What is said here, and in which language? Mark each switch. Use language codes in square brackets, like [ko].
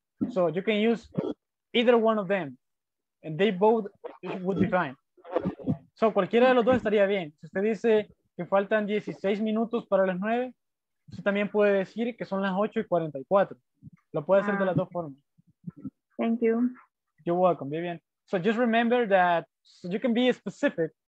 [en] So you can use either one of them and they both would be fine. [es] So cualquiera de los dos estaría bien. Si usted dice que faltan 16 minutos para las 9, usted también puede decir que son las 8:44. Lo puede hacer de las dos formas. [en] Thank you. You're welcome, Vivian. So just remember that you can be specific.